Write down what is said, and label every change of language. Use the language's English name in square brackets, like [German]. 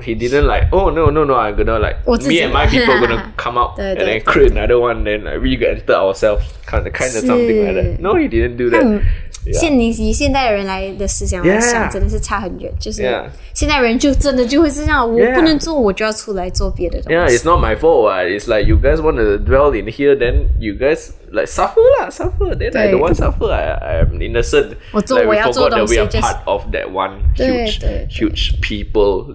[English] He didn't like, oh no, I'm gonna like, me and my people gonna come out and then create another one, then like, we gonna enter ourselves, kind of something like that. No, he didn't do that. [Chinese] 现在人来的思想来想真的是差很远，就是现在人就真的就会是这样，我不能做，我就要出来做别的东西。 [English] Yeah, it's not my fault. It's like you guys want to dwell in here, then you guys like suffer lah, suffer. Then I don't want suffer. I'm innocent. [Chinese] 我做我要做东西, [English] like, we forgot that we are part of that one huge people.